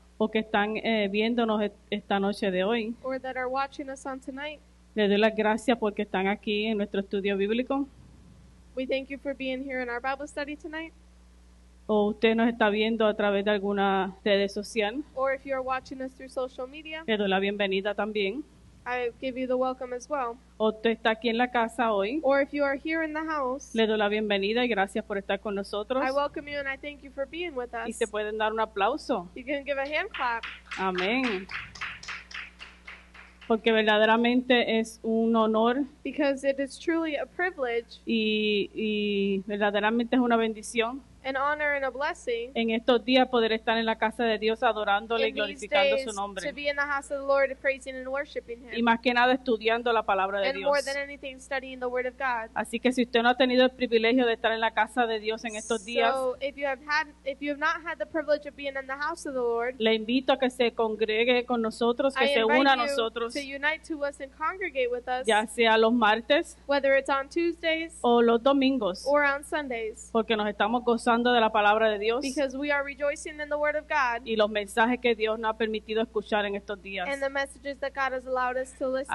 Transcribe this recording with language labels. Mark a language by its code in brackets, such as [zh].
[es] O que están viéndonos esta noche de hoy. [en] Or that are watching us on tonight. [es] Le doy las gracias porque están aquí en nuestro estudio bíblico. [en] We thank you for being here in our Bible study tonight. [es] O usted nos está viendo a través de alguna red social. [en] Or if you are watching us through social media. [es] Le doy la bienvenida también. [en] I give you the welcome as well. [es] O tú estás aquí en la casa hoy. [en] Or if you are here in the house. [es] Le doy la bienvenida y gracias por estar con nosotros. [en] I welcome you and I thank you for being with us. [es] Y se pueden dar un aplauso. [en] You can give a hand clap. [es] Amén. Porque verdaderamente es un honor. [en] Because it is truly a privilege. [es] Y verdaderamente es una bendición. [en] An honor and a blessing. [es] En estos días poder estar en la casa de Dios adorándole y glorificando su nombre. [en] To be in the house of the Lord, praising and worshiping Him. [es] Y más que nada estudiando la palabra de Dios. [en] And more than anything, studying the Word of God. [es] Así que si usted no ha tenido el privilegio de estar en la casa de Dios en estos días, [en] if you have not had the privilege of being in the house of the Lord, [es] le invito a que se congregue con nosotros, que se una a nosotros. [en] I invite you to unite to us and congregate with us. [es] Ya sea los martes, [en] whether it's on Tuesdays, [es] o los domingos, [en] or on Sundays, [es] porque nos estamos gozando de la palabra de Dios. [en] Because we are rejoicing in the word of God. [es] Y los mensajes que Dios nos ha permitido escuchar en estos días. [en] And the messages that God has allowed us to listen.